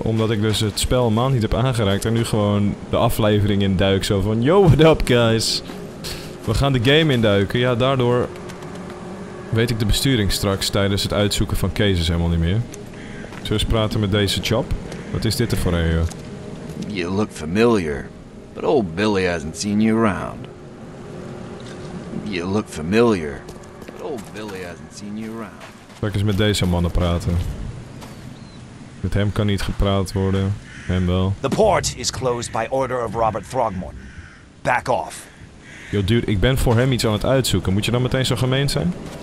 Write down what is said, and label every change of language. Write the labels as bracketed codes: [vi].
[nl] Omdat ik dus het spel maand niet heb aangeraakt en nu gewoon de aflevering induik zo van... [en] Yo, what up guys? [nl] We gaan de game induiken. Ja, daardoor... Weet ik de besturing straks tijdens het uitzoeken van cases helemaal niet meer. Zullen we eens praten met deze chap? Wat is dit er voor een, joh? [en] You look familiar, but old Billy hasn't seen you around. You look familiar, but old Billy hasn't seen you around. [nl] Zal ik eens met deze mannen praten? Met hem kan niet gepraat worden. Hem wel. [en] The port is closed by order of Robert Throgmorton. Back off. Yo dude, [nl] ik ben voor hem iets aan het uitzoeken. Moet je dan meteen zo gemeen zijn?